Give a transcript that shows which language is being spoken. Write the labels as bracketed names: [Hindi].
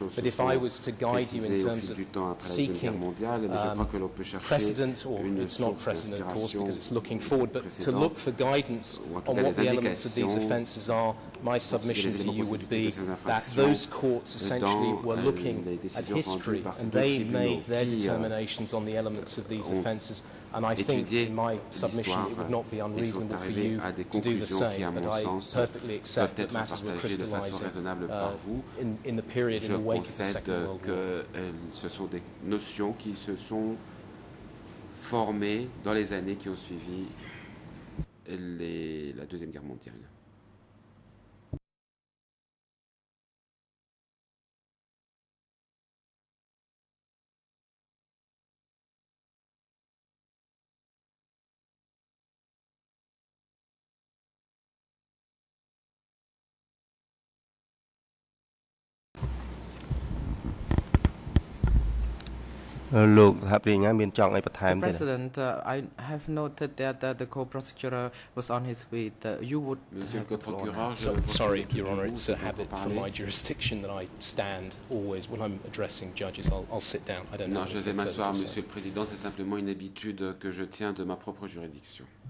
[English] But if I was to guide you in terms of seeking precedent, or it's not precedent, of course, because it's looking forward, but to look for guidance on what the elements of these offences are, my submission to you would be that those courts essentially were looking at history and they made their determinations on the elements of these offences. And I think in my submission it would not be unreasonable for you to do the same, but I perfectly accept that matters were crystallizing in the period in the wake of the Second World War. [French] Qui se sont formées dans les années qui ont suivi la Deuxième Guerre mondiale. [English] The President, I have noted that the co-prosecutor was on his way. You would have the floor. Sorry, Your Honour, it's a habit from my jurisdiction that I stand always when I'm addressing judges. I'll sit down. I don't know. [French] Non, je vais m'asseoir, Monsieur le Président. C'est simplement une habitude que je tiens de ma propre juridiction.